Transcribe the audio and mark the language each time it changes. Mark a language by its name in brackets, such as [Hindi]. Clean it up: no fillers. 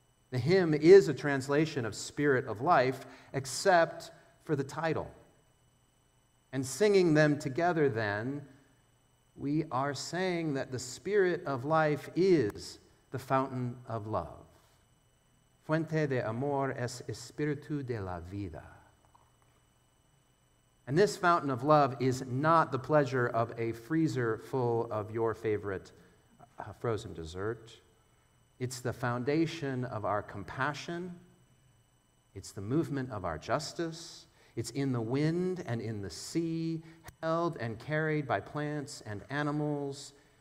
[English] The hymn is a translation of Spirit of Life, except for the title. And singing them together then, we are saying that the spirit of life is the fountain of love. [Spanish] Fuente de amor es espíritu de la vida. [English] And this fountain of love is not the pleasure of a freezer full of your favorite frozen dessert. It's the foundation of our compassion. It's the movement of our justice. It's in the wind and in the sea, held and carried by plants and animals.